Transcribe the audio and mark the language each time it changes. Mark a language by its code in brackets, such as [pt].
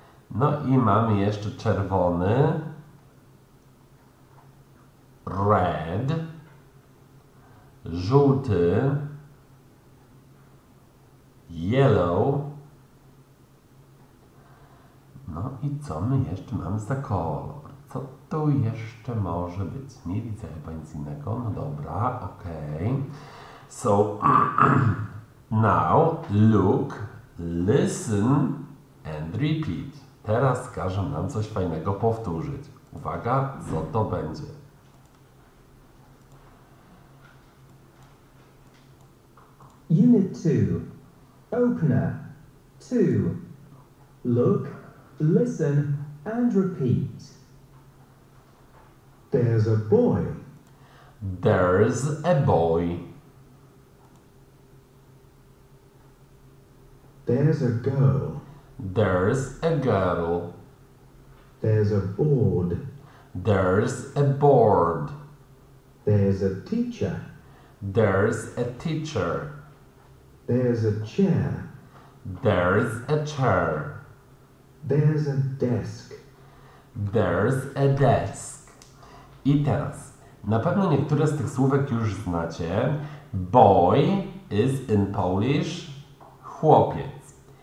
[pl] No i mamy jeszcze czerwony red, żółty yellow. No i co my jeszcze mamy za kolor? Co tu jeszcze może być? Nie widzę chyba nic innego. No dobra, ok. [en] So, now, look, listen and repeat. [pl] Teraz każą nam coś fajnego powtórzyć. Uwaga, co to będzie? [en] Unit 2. Opener. 2. Look, listen and repeat. There's a boy. There's a boy. There's a girl. There's a girl. There's a board. There's a board. There's a teacher. There's a teacher. There's a chair. There's a chair. There's a desk. There's a desk. [pl] I teraz, na pewno niektóre z tych słówek już znacie. [en] Boy is in Polish chłopiec.